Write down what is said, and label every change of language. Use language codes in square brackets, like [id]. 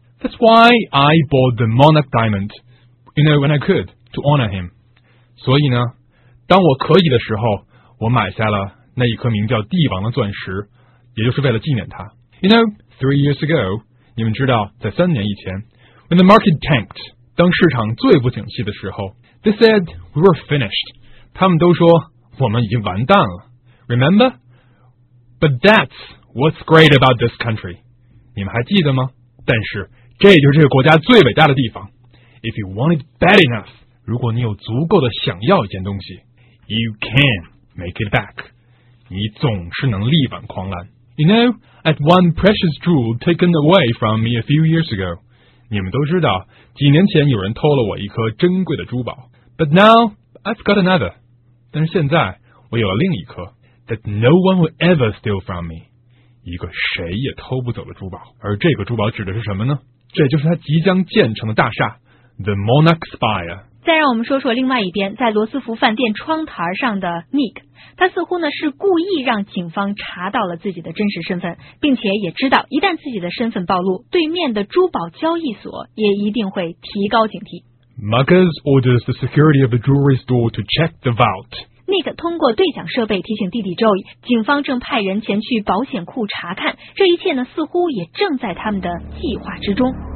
[en] That's why I bought the Monarch Diamond, you know, when I could, to honor him. [zh] 所以呢，当我可以的时候，我买下了那一颗名叫帝王的钻石，也就是为了纪念他。 [en] You know, 3 years ago, [zh] 你们知道，在三年以前， [en] when the market tanked, [zh] 当市场最不景气的时候， [en] They said we were finished. [zh] 他们都说我们已经完蛋了。 [en] Remember? But that's what's great about this country. [zh] 你们还记得吗？但是这就是这个国家最伟大的地方。 [en] If you want it bad enough, [zh] 如果你有足够的想要一件东西， [en] You can make it back. [zh] 你总是能力挽狂澜。 [en] You know, at one precious jewel taken away from me a few years ago, [zh] 你们都知道，几年前有人偷了我一颗珍贵的珠宝。 [en] But now I've got another. [zh] 但是现在我有了另一颗。 [en] That no one will ever steal from me. [zh] 一个谁也偷不走的珠宝。而这个珠宝指的是什么呢？这就是他即将建成的大厦 ，The Monarch Spire。再让我们说说另外一边，在罗斯福饭店窗台上的 Nick， 他似乎呢是故意让警方查到了自己的真实身份，并且也知道一旦自己的身份暴露，对面的珠宝交易所也一定会提高警惕。 [en] Muggers orders the security of the jewelry store to check the vault. [zh] Nick 通过对讲设备提醒弟弟 Joey， 警方正派人前去保险库查看，这一切呢似乎也正在他们的计划之中。